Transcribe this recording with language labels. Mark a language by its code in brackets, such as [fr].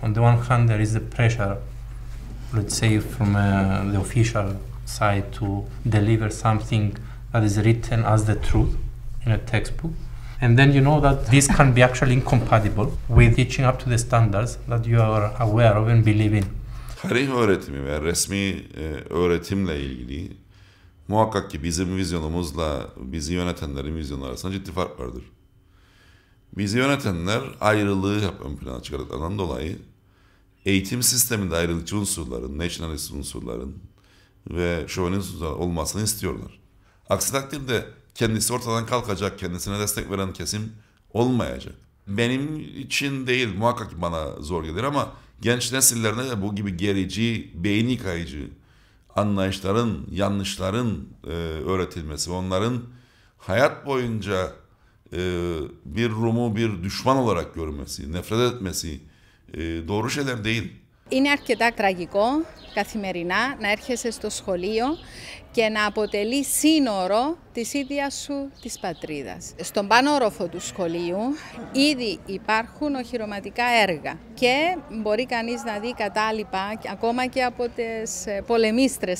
[en] On the one hand, there is the pressure, let's say, from the official side to deliver something that is written as the truth in a textbook. And then you know that this can be actually incompatible with teaching up to the standards that you are aware of and believe in. [tr] Harin öğretimi ve resmi öğretimle ilgili muhakkak ki bizim vizyonumuzla bizi yönetenlerin vizyonu arasında ciddi fark vardır. Bizi yönetenler ayrılığı ön plana çıkardıklarından dolayı eğitim sisteminde ayrılıkçı unsurların, nationalist unsurların ve şovenist unsurların olmasını istiyorlar. Aksi takdirde kendisi ortadan kalkacak, kendisine destek veren kesim olmayacak. Benim için değil, muhakkak bana zor gelir ama genç nesillerine de bu gibi gerici, beyin yıkayıcı anlayışların, yanlışların öğretilmesi, onların hayat boyunca bir Rum'u bir düşman olarak görmesi, nefret etmesi doğru şeyler değil. [el] Είναι αρκετά τραγικό καθημερινά να έρχεσαι στο σχολείο και να αποτελεί σύνορο της ίδιας σου της πατρίδας. Στον πάνω όροφο του σχολείου ήδη υπάρχουν οχυρωματικά έργα και μπορεί κανείς να δει κατάλοιπα ακόμα και από τις πολεμίστρες.